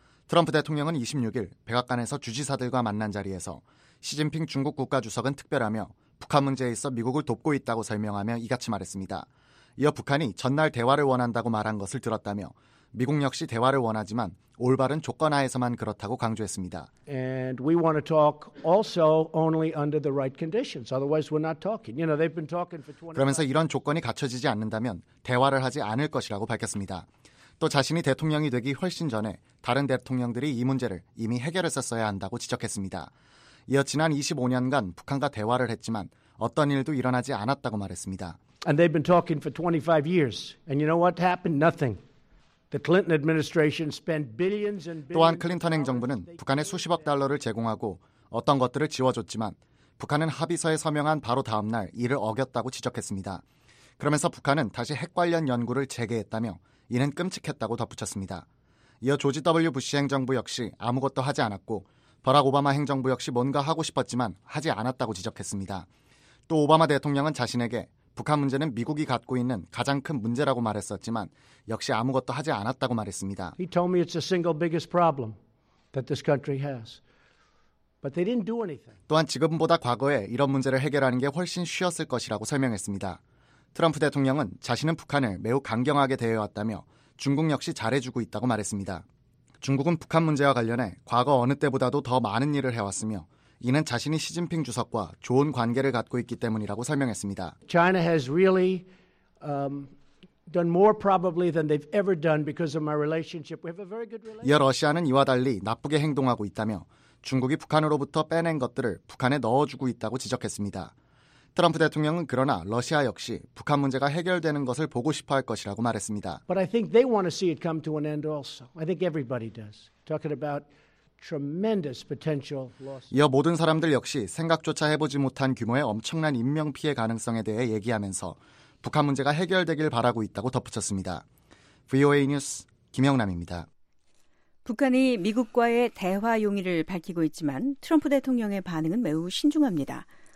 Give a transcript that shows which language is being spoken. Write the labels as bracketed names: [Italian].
[Korean] 트럼프 대통령은 26일 백악관에서 주지사들과 만난 자리에서 시진핑 중국 국가주석은 특별하며 북한 문제에 있어 미국을 돕고 있다고 설명하며 이같이 말했습니다. 이어 북한이 전날 대화를 원한다고 말한 것을 들었다며 미국 역시 대화를 원하지만 올바른 조건 하에서만 그렇다고 강조했습니다. [English] And we want to talk also only under the right conditions. Otherwise, we're not talking. You know, they've been talking for 20. [Korean] 그러면서 이런 조건이 갖춰지지 않는다면 대화를 하지 않을 것이라고 밝혔습니다. 또 자신이 대통령이 되기 훨씬 전에 다른 대통령들이 이 문제를 이미 해결했었어야 한다고 지적했습니다. 이어 지난 25년간 북한과 대화를 했지만 어떤 일도 일어나지 않았다고 말했습니다. [English] And they've been talking for 25 years. And you know what happened? Nothing. The Clinton administration spent billions and billions. [Korean] 또한 클린턴 행정부는 북한에 수십억 달러를 제공하고 어떤 것들을 지워줬지만 북한은 합의서에 서명한 바로 다음 날 이를 어겼다고 지적했습니다. 그러면서 북한은 다시 핵 관련 연구를 재개했다며 이는 끔찍했다고 덧붙였습니다. 이어 조지 W. 부시 행정부 역시 아무것도 하지 않았고 버락 오바마 행정부 역시 뭔가 하고 싶었지만 하지 않았다고 지적했습니다. 또 오바마 대통령은 자신에게 북한 문제는 미국이 갖고 있는 가장 큰 문제라고 말했었지만 역시 아무것도 하지 않았다고 말했습니다. [English] He told me it's the single biggest problem that this country has. But they didn't do anything. [Korean] 또한 지금보다 과거에 이런 문제를 해결하는 게 훨씬 쉬웠을 것이라고 설명했습니다. 트럼프 대통령은 자신은 북한을 매우 강경하게 대해왔다며 중국 역시 잘해주고 있다고 말했습니다. 중국은 북한 문제와 관련해 과거 어느 때보다도 더 많은 일을 해왔으며 이는 자신이 시진핑 주석과 좋은 관계를 갖고 있기 때문이라고 설명했습니다. [English] China has really done more probably than they've ever done because of my relationship. We have a very good relationship. [Korean] 이어 러시아는 이와 달리 나쁘게 행동하고 있다며 중국이 북한으로부터 빼낸 것들을 북한에 넣어주고 있다고 지적했습니다. 트럼프 대통령은 그러나 러시아 역시 북한 문제가 해결되는 것을 보고 싶어 할 것이라고 말했습니다. [English] But I think they want to see it come to an end also. I think everybody does. Talking about tremendous potential loss. [Korean] 이어 모든 사람들 역시 생각조차 해보지 못한 규모의 엄청난 인명피해 가능성에 대해 얘기하면서 북한 문제가 해결되길 바라고 있다고 덧붙였습니다. VOA 뉴스 김영남입니다. 북한이 미국과의 대화 용의를 밝히고 있지만 트럼프 대통령의 반응은 매우 신중합니다.